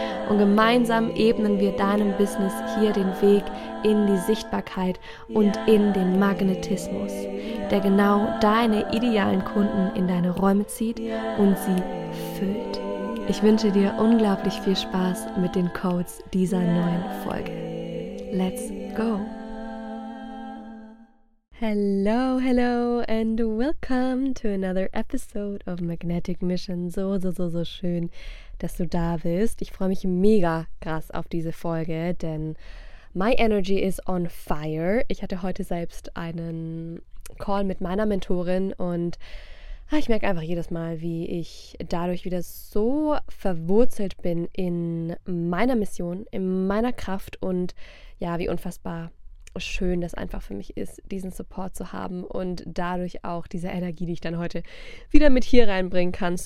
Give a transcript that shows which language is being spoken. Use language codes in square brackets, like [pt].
[de] Und gemeinsam ebnen wir deinem Business hier den Weg in die Sichtbarkeit und in den Magnetismus, der genau deine idealen Kunden in deine Räume zieht und sie füllt. Ich wünsche dir unglaublich viel Spaß mit den Codes dieser neuen Folge. [en] Let's go! Hello, hello and welcome to another episode of Magnetic Mission. [de] So schön, dass du da bist. Ich freue mich mega krass auf diese Folge, denn [en] my energy is on fire. [de] Ich hatte heute selbst einen Call mit meiner Mentorin und ich merke einfach jedes Mal, wie ich dadurch wieder so verwurzelt bin in meiner Mission, in meiner Kraft und ja, wie unfassbar schön, dass einfach für mich ist, diesen Support zu haben und dadurch auch diese Energie, die ich dann heute wieder mit hier reinbringen kann.